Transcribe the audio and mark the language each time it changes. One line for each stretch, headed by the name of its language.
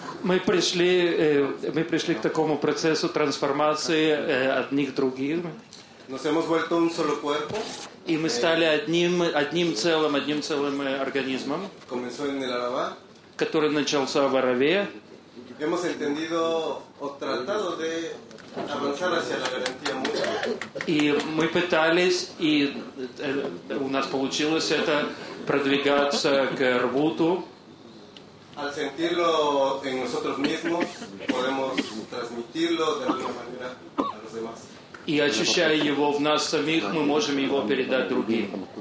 Russian: Мы пришли к такому процессу трансформации одних других.
Spanish: Nos hemos vuelto un solo cuerpo.
Russian: И мы стали одним целым организмом.
Spanish: Comenzó en el Araba.
Russian: Который начался в Араве.
Spanish: Hemos entendido o tratado de avanzar hacia la garantía mutua.
Russian: И мы пытались, и у нас получилось это продвигаться к рвуту.
Spanish: Al sentirlo en nosotros mismos, podemos transmitirlo de alguna manera a los demás.
Russian: И ощущая его в нас самих, мы можем его передать другим.